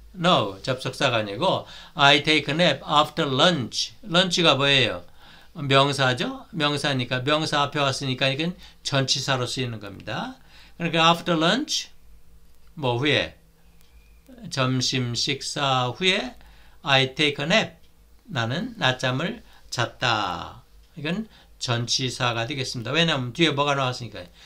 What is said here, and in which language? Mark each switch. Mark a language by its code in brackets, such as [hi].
[en] No, [ko] 접속사가 아니고, [en] I take a nap after lunch. [ko] 런치가 뭐예요? 명사죠? 명사니까, 명사 앞에 왔으니까 이건 전치사로 쓰이는 겁니다. 그러니까, [en] after lunch, [ko] 뭐 후에? 점심 식사 후에, [en] I take a nap. [ko] 나는 낮잠을 잤다. 이건 전치사가 되겠습니다. 왜냐하면 뒤에 뭐가 나왔으니까.